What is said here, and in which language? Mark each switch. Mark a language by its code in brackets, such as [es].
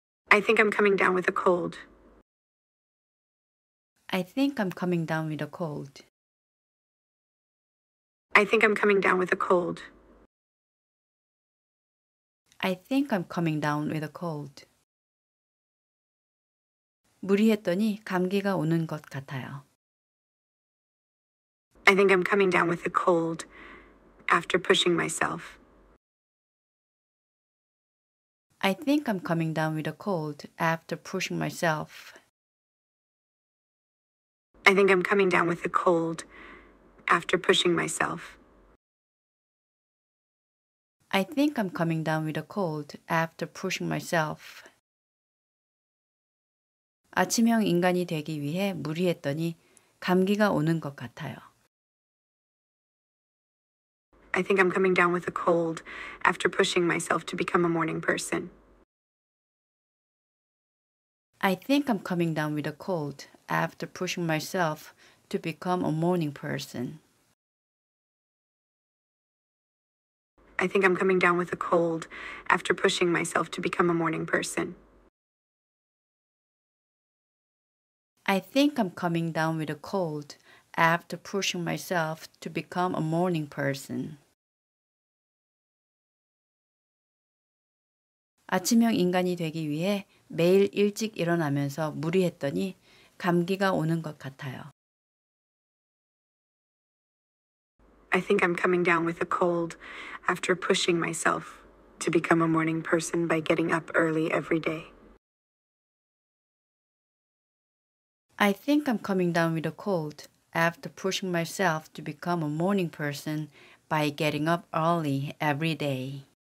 [en] I think I'm coming down with a cold. I think I'm coming down with a cold. I think I'm coming down with a cold. I think I'm coming down with a cold. [ko] 무리했더니 감기가 오는 것 같아요. [en] I think I'm coming down with a cold after pushing myself. I think I'm coming down with a cold after pushing myself. I think I'm coming down with a cold after pushing myself. I think I'm coming down with a cold after pushing myself. [ko] 아침형 인간이 되기 위해 무리했더니 감기가 오는 것 같아요. [en] I think I'm coming down with a cold after pushing myself to become a morning person. I think I'm coming down with a cold after pushing myself to become a morning person. I think I'm coming down with a cold after pushing myself to become a morning person. I think I'm coming down with a cold after pushing myself to become a morning person. [ko] 아침형 인간이 되기 위해 매일 일찍 일어나면서 무리했더니 감기가 오는 것 같아요. [en] I think I'm coming down with a cold after pushing myself to become a morning person by getting up early every day. I think I'm coming down with a cold after pushing myself to become a morning person by getting up early every day.